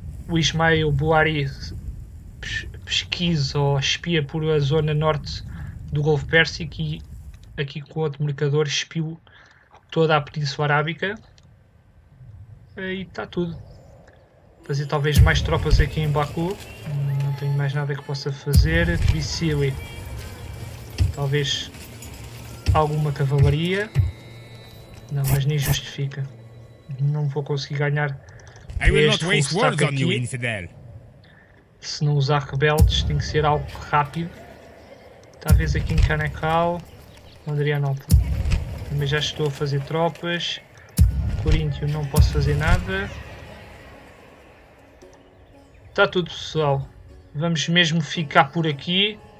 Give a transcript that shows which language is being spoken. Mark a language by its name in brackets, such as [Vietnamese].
[Portuguese] O Ismael Buari pesquisa ou espia por a zona norte do Golfo Pérsico e aqui com outro mercador espiou toda a Península Arábica. E está tudo. Fazer talvez mais tropas aqui em Baku. Não tenho mais nada que possa fazer. Tbilisi. Talvez alguma cavalaria. Não, mas nem justifica. Não vou conseguir ganhar. [English] I will not waste words on you, infidel. [Portuguese] Se não usar rebeldes, tem que ser algo rápido. Talvez aqui em Canacal, Adrianópolis. Também já estou a fazer tropas. Coríntio, não posso fazer nada. Está tudo, pessoal. Vamos mesmo ficar por aqui.